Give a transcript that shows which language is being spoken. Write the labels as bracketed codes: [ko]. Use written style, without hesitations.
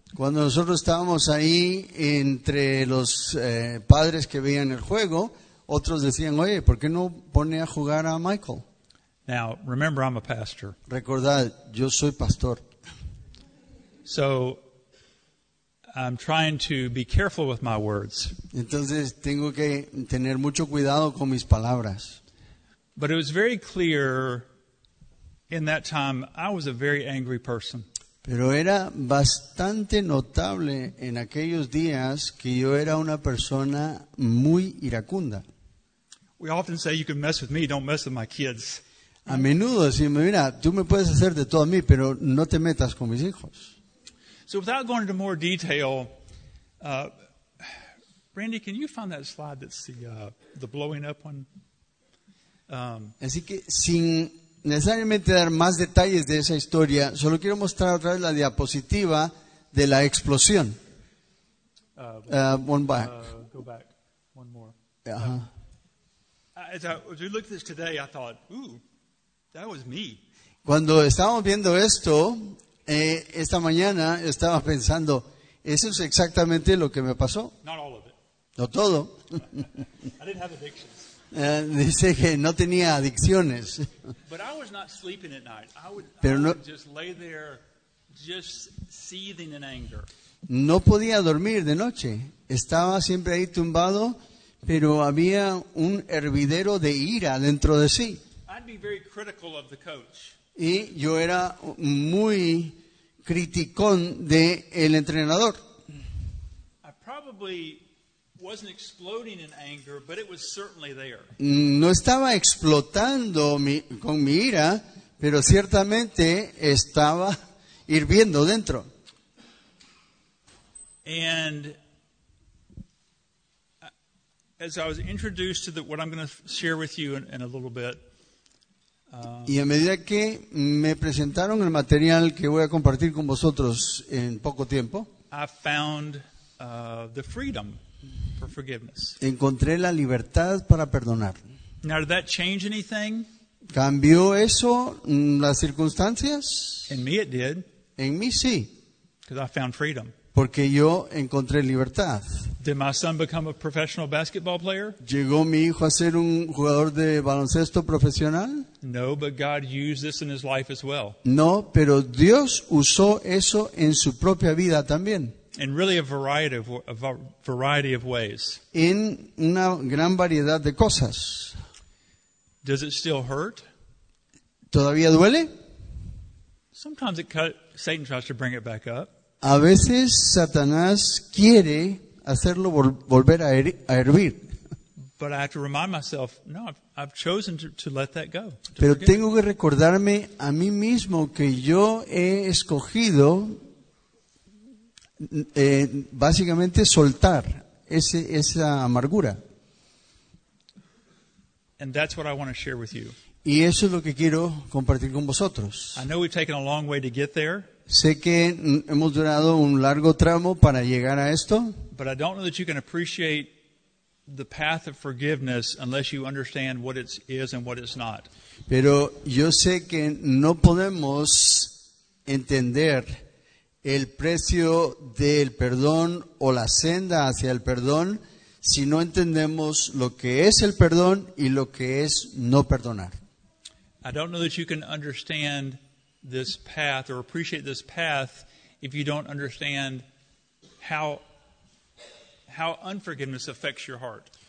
[es] Cuando nosotros estábamos ahí entre los padres que veían el juego, otros decían, oye, ¿por qué no pone a jugar a Michael? [en] Now, remember, I'm a pastor. [es] Recordad, yo soy pastor. [en] So, I'm trying to be careful with my words. [es] Entonces, tengo que tener mucho cuidado con mis palabras. [en] But it was very clear in that time, I was a very angry person. [es] Pero era bastante notable en aquellos días que yo era una persona muy iracunda. [en] We often say you can mess with me, don't mess with my kids. [es] A menudo decimos, mira, tú me puedes hacer de todo a mí, pero no te metas con mis hijos. [en] So without going into more detail, Randy, can you find that slide that's the blowing up one? [es] Así que sin necesariamente dar más detalles de esa historia, solo quiero mostrar otra vez la diapositiva de la explosión. [en] One back. Go back. One more. Uh-huh. As we looked at this today, I thought, ooh, that was me. [es] Cuando estábamos viendo esto, esta mañana estaba pensando, eso es exactamente lo que me pasó. [en] Not all of it. [es] No todo. [en] I didn't have addictions. [es] Dice que no tenía adicciones. [en] But I was not sleeping at night. I would just lay there just seething in anger. [es] No podía dormir de noche. Estaba siempre ahí tumbado, pero había un hervidero de ira dentro de sí. [en] I'd be very critical of the coach. [es] Y yo era muy criticón de el entrenador. [en] I probably wasn't exploding in anger, but it was certainly there. [es] No estaba explotando con mi ira, pero ciertamente estaba hirviendo dentro. [en] And as I was introduced to what I'm going to share with you in a little bit. [es] Y a medida que me presentaron el material que voy a compartir con vosotros en poco tiempo, [en] I found the freedom for forgiveness. [es] Encontré la libertad para perdonar. [en] Now, did that change anything? [es] ¿Cambió eso las circunstancias? [en] In me, it did. [es] En mí, sí. [en] Because I found freedom. [es] Porque yo encontré libertad. [en] Did my son become a professional basketball player? [es] ¿Llegó mi hijo a ser un jugador de baloncesto profesional? [en] No, but God used this in his life as well. [es] No, pero Dios usó eso en su propia vida también. [en] In really a variety of ways. [es] En una gran variedad de cosas. [en] Does it still hurt? [es] ¿Todavía duele? [en] Sometimes Satan tries to bring it back up. [es] A veces Satanás quiere hacerlo volver a hervir. [en] But I have to remind myself, no, I've chosen to let that go. [es] Pero tengo que recordarme a mí mismo que yo he escogido básicamente soltar esa amargura. [en] And that's what I want to share with you. [es] Y eso es lo que quiero compartir con vosotros. [en] I know we've taken a long way to get there. [es] Sé que hemos durado un largo tramo para llegar a esto. [en] But I don't know that you can appreciate the path of forgiveness unless you understand what it is and what it's not. [es] Pero yo sé que no podemos entender el precio del perdón o la senda hacia el perdón si no entendemos lo que es el perdón y lo que es no perdonar. [en] I don't know that you can understand this path or appreciate this path if you don't understand how unforgiveness affects your heart.